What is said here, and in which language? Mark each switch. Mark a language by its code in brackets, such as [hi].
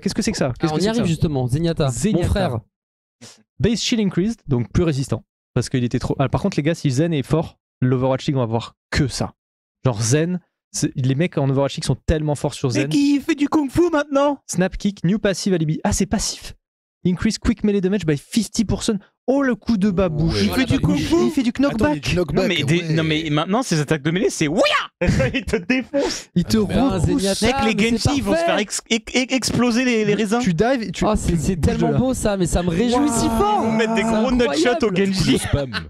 [fr] Qu'est-ce que c'est que ça? Justement, Zenyatta, mon frère. [en] Base shield increased, [fr] donc plus résistant. Parce qu'il était trop. Alors, par contre, les gars, si Zen est fort, l'Overwatch League, on va voir que ça. Genre Zen, les mecs en Overwatch League sont tellement forts sur Zen. Mais qui fait du Kung Fu maintenant? [en] Snap kick, new passive alibi. [fr] Ah, c'est passif. [en] Increase quick melee damage by 50%. [fr] Oh, le coup de babou. Ouais. Il fait du Kung Fu. Il fait du knockback. Non, mais maintenant, ses attaques de melee, c'est Ouya! Il te défonce. Il te rouge. Mec, les Genji vont se faire exploser les raisins. Tu dives. Tu... Oh, c'est tellement beau ça, mais ça me réjouit si fort. Ils vont mettre des gros nutshots au Genji. Le spam.